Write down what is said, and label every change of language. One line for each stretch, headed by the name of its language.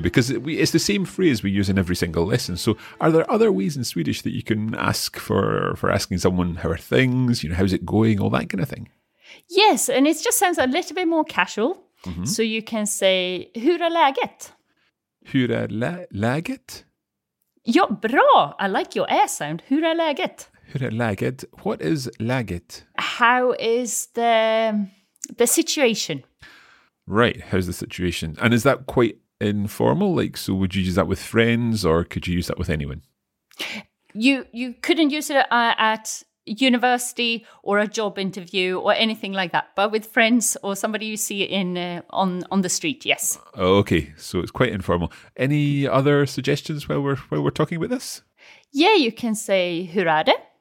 English: because it's the same phrase we use in every single lesson. So, are there other ways in Swedish that you can ask for asking someone how are things? You know, how's it going? All that kind of thing. Yes, and it just sounds a little bit more casual. Mm-hmm. So you can say
Swedish: "Hur är läget?" Hur är läget? Ja, bra.
English: I like your air sound.
Swedish: Hur är läget? Hur är läget?
English: What is läget? How is the situation? Right, how's the situation? And is that quite informal? Like, so would you use that with friends or could you use that with anyone? You couldn't use it at university or a job interview or anything like that. But with friends or somebody you see in on the street, yes. Okay, so it's quite informal. Any other suggestions while we're talking about this? Yeah, you can say
Swedish: hur är det?